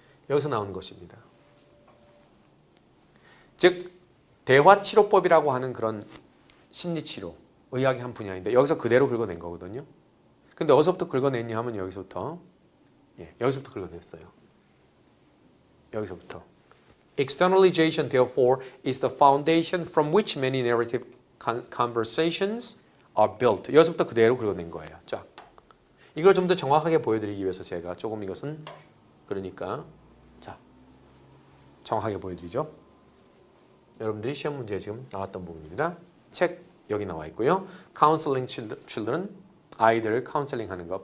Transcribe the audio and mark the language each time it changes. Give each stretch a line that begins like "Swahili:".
Korean: 여기서 나오는 것입니다. 즉, 대화치료법이라고 하는 그런 심리치료, 의학의 한 분야인데, 여기서 그대로 긁어낸 거거든요. 근데 어디서부터 긁어냈냐 하면 여기서부터, 예, 여기서부터 긁어냈어요. 여기서부터.
English: Externalization, therefore, is the foundation from which many narrative conversations are built.
Korean: 여기서부터 그대로 긁어낸 거예요. 쫙. 이걸 좀더 정확하게 보여드리기 위해서 제가 조금 이것은, 그러니까, 정확하게 보여드리죠. 여러분들이 시험 문제에 지금 나왔던 부분입니다. 책, 여기 나와 있고요. Counseling Children, 아이들을 카운슬링 하는 거.